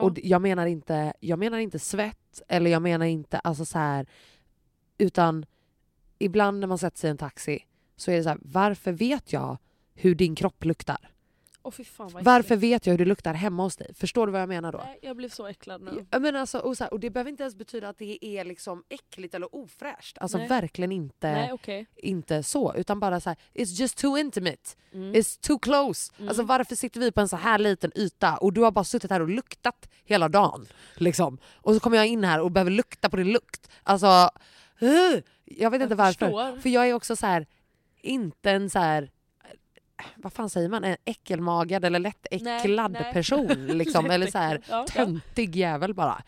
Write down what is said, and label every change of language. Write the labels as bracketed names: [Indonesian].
[Swedish] Och jag menar inte svett, eller jag menar inte, alltså så här, utan ibland när man sätter sig i en taxi så är det så här, varför vet jag hur din kropp luktar? Oh, fy fan, varför vet jag hur det luktar hemma hos dig? Förstår du vad jag menar då? Jag blev så äcklad nu. Ja, men alltså, och, så här, och det behöver inte ens betyda att det är liksom äckligt eller ofräscht. Alltså verkligen inte, inte så. Utan bara så här, [English] it's just too intimate. [Swedish] Mm. [English] It's too close. Mm. [Swedish] Alltså varför sitter vi på en så här liten yta och du har bara suttit här och luktat hela dagen? Liksom. Och så kommer jag in här och behöver lukta på din lukt. Alltså, jag vet inte varför. För jag är också så här, inte en så här, vad fan säger man, en äckelmagad eller lätt äcklad person liksom, eller så här töntig jävel bara.